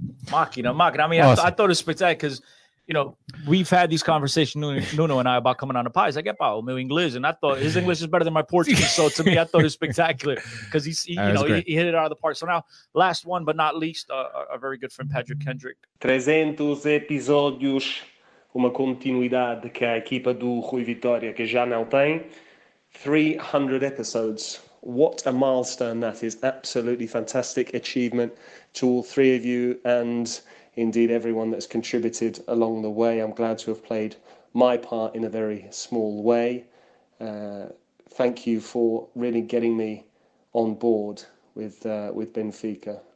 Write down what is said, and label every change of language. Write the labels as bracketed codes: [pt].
[en] Machina. I mean, awesome. I thought it was spectacular because, you know, we've had these conversations, Nuno and I, about coming on the pies. I get about my English, and I thought his English is better than my Portuguese. So to me, I thought it was spectacular because he hit it out of the park. So now, last one but not least, a very good friend, Patrick Kendrick. [pt] 300 episódios, uma continuidade que a equipa do Rui Vitória que já não tem. [en] 300 episodes. What a milestone that is. Absolutely fantastic achievement to all three of you and indeed everyone that's contributed along the way. I'm glad to have played my part in a very small way. Thank you for really getting me on board with Benfica.